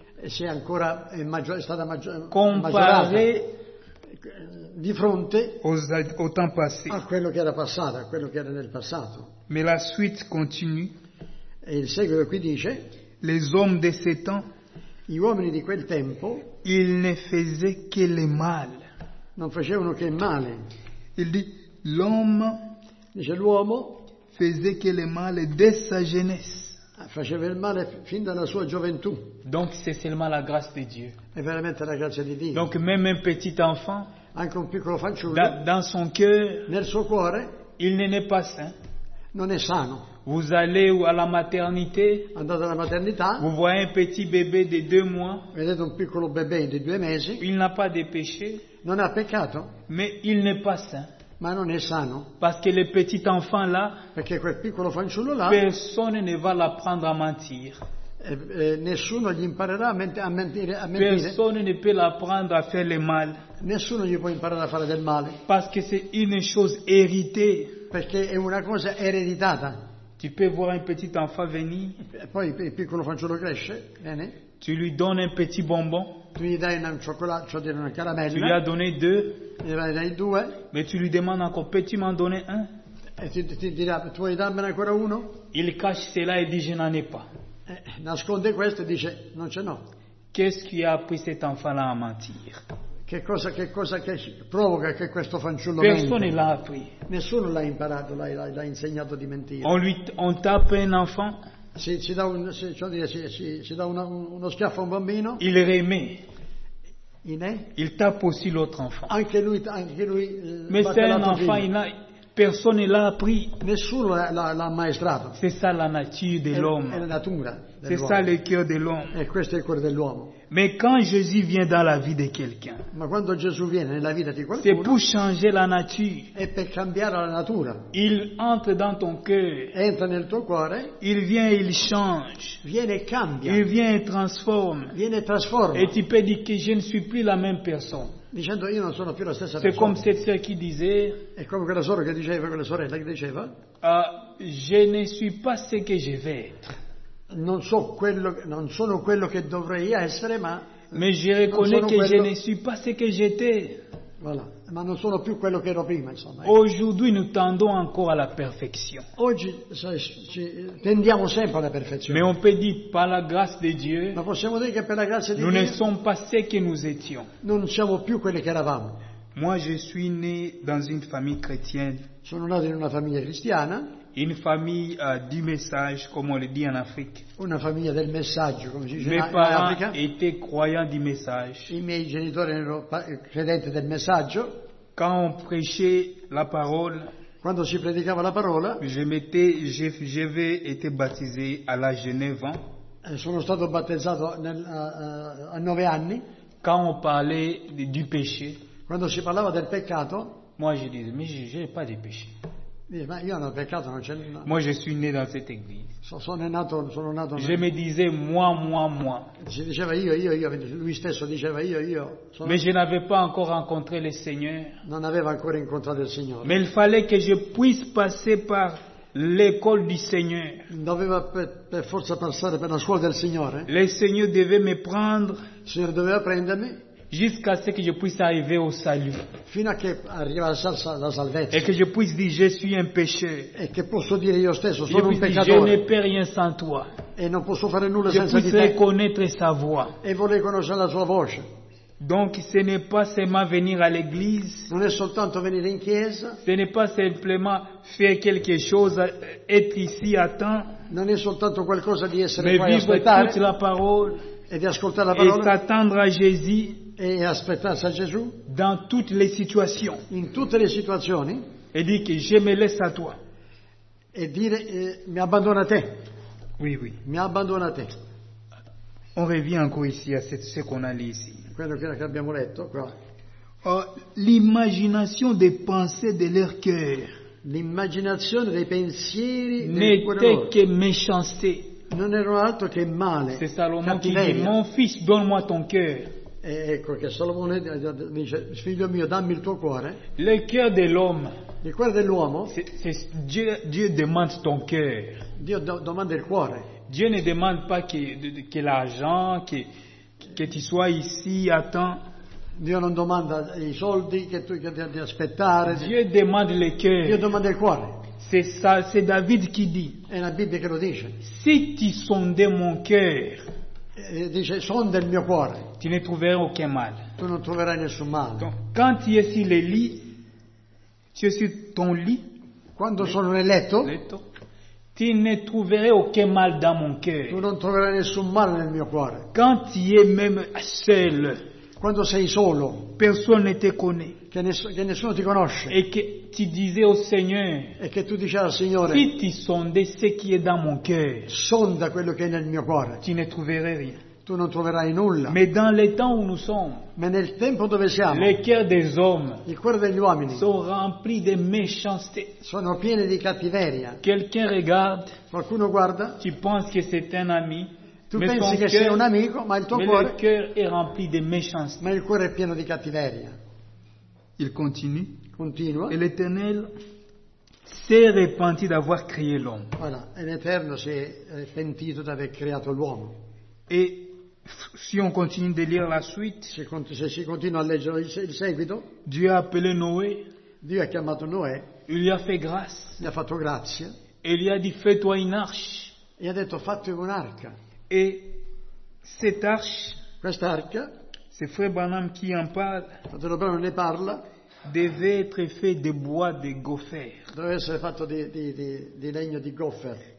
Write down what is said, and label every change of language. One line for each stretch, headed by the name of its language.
Italian: Si è ancora è stata maggiorata. Di fronte
French: au temps passé.
Italian: A quello che era passato, a quello che era nel passato.
French: Mais la suite continue.
Italian: E il seguito qui dice:
French: les hommes de ces temps,
Italian: gli uomini di quel tempo,
French: ils ne faisaient que le mal.
Italian: Non facevano che male.
French: Il dit, l'homme,
Italian: dice l'uomo,
French: faisait que le mal dès sa jeunesse.
Italian: Faceva il male fin dalla sua gioventù.
French: Donc c'est seulement la grâce de Dieu.
Italian: È veramente la grazia di Dio.
French: Donc même un petit enfant.
Italian: Anche un piccolo fanciullo,
French: dans son cœur,
Italian: nel suo cuore,
French: il n'est pas sain.
Italian: Non è sano.
French: Vous allez à la maternité,
Italian: andate alla maternità,
French: vous voyez un petit bébé de deux mois,
Italian: vedete un piccolo bebè di due mesi,
French: il n'a pas de péché,
Italian: non ha peccato,
French: mais il n'est pas sain.
Italian: Ma non è sano.
French: Parce que le petit enfant là,
Italian: perché quel piccolo fanciullo là,
French: personne ne va l'apprendre à mentir.
Italian: Nessuno gli imparerà a mentire,
French: Personne ne peut l'apprendre à faire le mal.
Italian: Nessuno gli può imparare a fare del male.
French: Parce que c'est une chose héritée.
Italian: Perché è una cosa ereditata.
French: Tu peux voir un petit enfant venir.
Italian: Poi il piccolo fanciullo cresce. Bene.
French: Tu lui donnes un petit bonbon.
Italian: Tu gli dai un cioccolato, cioè dire una caramella.
French: Tu lui as donné deux.
Italian: Gli dai due.
French: Mais tu lui demandes encore, peux-tu m'en donner un?
Italian: E ti dirà, tu vuoi darmene ancora uno?
French: Il cache cela et dit, je n'en ai pas.
Italian: Nasconde questo e dice non ce n'ho.
French: Qu'est-ce qui a pris cet enfant là à mentir?
Italian: Che cosa che provoca che questo fanciullo
French: menti? Personne l'ha appris.
Italian: Nessuno l'ha imparato, l'ha insegnato di mentire.
French: On tape un enfant.
Italian: Si dà uno schiaffo a un bambino.
French: Il remet. Il tape aussi l'autre enfant.
Italian: Anche lui.
French: Mais c'est un enfant, personne l'ha appris.
Italian: Nessuno l'ha ammaestrato.
French: C'est ça la nature de l'homme.
Italian: È la natura.
French: C'est ça le cœur de l'homme.
Italian: E questo è il cuore dell'uomo.
French: Mais quand Jésus vient dans la vie de quelqu'un,
Italian: ma quando Gesù viene nella vita di qualcuno,
French: c'est pour changer la nature.
Italian: È per cambiare la natura.
French: Il entre dans ton cœur.
Italian: Entra nel tuo cuore.
French: Il vient, il change.
Italian: Viene e cambia.
French: Il vient et transforme.
Italian: Viene e trasforma.
French: Et tu peux dire que je ne suis plus la même personne.
Italian: Dicendo io non sono più la stessa persona.
French: Comme cette sœur qui disait,
Italian: è come quella sorella che diceva, quella sorella che diceva.
French: Je ne suis pas ce que je vais être.
Italian: Non so quello, non sono quello che dovrei essere, ma.
French: Mais je reconnais que je ne suis pas ce que j'étais. Voilà.
Italian: Ma non sono più quello che ero prima, insomma.
French: Aujourd'hui nous tendons encore à la perfection.
Italian: Oggi tendiamo sempre alla perfezione.
French: Mais on peut dire par la grâce de Dieu.
Italian: Ma possiamo dire che per la grazia di Dio.
French: Nous ne sommes pas ce que nous étions.
Italian: Non siamo più quelli che eravamo.
French: Moi je suis né dans une famille chrétienne.
Italian: Sono nato in una famiglia cristiana.
French: Une famille du message, comme on le dit en Afrique.
Italian: Una famiglia del messaggio, come si dice in Africa.
French: Mes parents étaient croyants du message.
Italian: I miei genitori erano credenti del messaggio.
French: Quand on prêchait la parole.
Italian: Quando si predicava la parola.
French: J'avais été baptisé à l'âge de 9 ans.
Italian: Sono stato battezzato a 9 anni.
French: Quand on parlait du péché.
Italian: Quando si parlava del peccato.
French: Moi je disais, mais je n'ai pas de péché.
Italian: Ma io non ho peccato, non c'è. No.
French: Moi je suis né dans cette église.
Italian: Sono nato.
French: Je me disais moi.
Italian: Si diceva io, lui stesso diceva io. Sono...
French: Mais je n'avais pas encore rencontré le Seigneur.
Italian: Non avevo ancora incontrato il Signore.
French: Mais il fallait que je puisse passer par l'école du Seigneur.
Italian: Doveva per forza passare per la scuola del Signore.
French: Le Seigneur devait me prendre.
Italian: Il Signore doveva prendermi.
French: Jusqu'à ce que je puisse arriver au salut.
Italian: Fino a che arrivasse alla salvezza. E che
French: je puisse dire je suis un pécheur.
Italian: E che posso dire io stesso sono un peccatore.
French: Je ne peux rien sans toi.
Italian: E non posso fare nulla
French: je
Italian: senza di te.
French: Je puisse connaître sa voix.
Italian: E volevo conoscere la sua voce.
French: Donc ce n'est pas seulement venir à l'église.
Italian: Non è soltanto venire in chiesa.
French: Ce n'est pas simplement faire quelque chose, être ici à temps.
Italian: Non è soltanto qualcosa di essere
French: mais
Italian: qua a aspettare.
French: Mais vivre toute la parole.
Italian: E di ascoltare la parola.
French: Et attendre à Jésus.
Italian: E aspettarsi a Gesù
French: dans toutes les situations.
Italian: In tutte le situazioni. E dire che
French: je me laisse à toi.
Italian: E dire mi abbandono a te.
French: Oui.
Italian: Mi abbandono a te.
French: On revient encore ici à ce qu'on a lì ici.
Italian: Quello che abbiamo letto qua.
French: L'immagination des pensées de leur cœur.
Italian: L'immaginazione dei pensieri
French: n'était que méchanceté.
Italian: Non erano altro che male.
French: C'est Salomon qui dit, mon fils, donne-moi ton cœur.
Italian: Ecco che Salomone dice, figlio mio, dammi il tuo cuore.
French: Le cœur de l'homme.
Italian: Il cuore dell'uomo.
French: Dieu demande ton cœur.
Italian: Dio domanda il cuore.
French: Dieu ne demande pas que l'argent, que tu sois ici, attends.
Italian: Dio non domanda i soldi che tu devi aspettare.
French: Dieu demande le cœur.
Italian: Dio domanda il cuore.
French: C'est David qui dit.
Italian: È la Bibbia che lo dice.
French: Si tu sondais mon cœur.
Italian: Dice, sonda il mio cuore.
French: Tu ne trouverai aucun mal.
Italian: Tu non troverai nessun male.
French: Donc, quand tu es sur le lit, tu es sur ton lit.
Italian: Quando sono nel letto. Letto.
French: Tu ne trouverai aucun mal dans mon cœur.
Italian: Tu non troverai nessun male nel mio cuore.
French: Quand tu es même seul.
Italian: Quando sei solo.
French: Personne ne te connaît.
Italian: Che nessuno ti conosce. E che ti
French: disais au Seigneur.
Italian: E che tu dici al Signore.
French: Si tu sondais ce qui est dans mon cœur.
Italian: Sonda quello che è nel mio cuore.
French: Tu ne trouverais rien.
Italian: Tu non troverai nulla.
French: Mais dans les temps où nous sommes.
Italian: Ma nel tempo dove siamo.
French: Le cœur des hommes.
Italian: Il cuore degli uomini. Sono
French: rempli di méchanceté.
Italian: Sono pieni di cattiveria.
French: Quelqu'un regarde.
Italian: Qualcuno guarda.
French: Tu penses que c'est un ami.
Italian: Tu mais pensi che sia un amico, ma il tuo cuore.
French: Le cœur est rempli de méchanceté.
Italian: Ma il cuore è pieno di cattiveria.
French: Il continue.
Italian: Continua.
French: Et l'Éternel s'est repenti d'avoir créé l'homme. Voilà. Et l'Éternel s'est
Italian: pentito d'aver creato l'uomo.
French: Et si on continue de lire la suite.
Italian: Se si continua a leggere il seguito.
French: Dieu a appelé Noé.
Italian: Dio ha chiamato Noè.
French: Il lui a fait grâce.
Italian: Gli ha fatto grazia.
French: Et lui a dit, fais-toi une arche.
Italian: E ha detto, fatti un'arca.
French: Et cette arche.
Italian: Questa arca.
French: C'est Frère Branham qui en parle.
Italian: Fratello Branham ne parle.
French: Devait être fait de bois de gopher.
Italian: Doveva essere fatto di legno di gopher.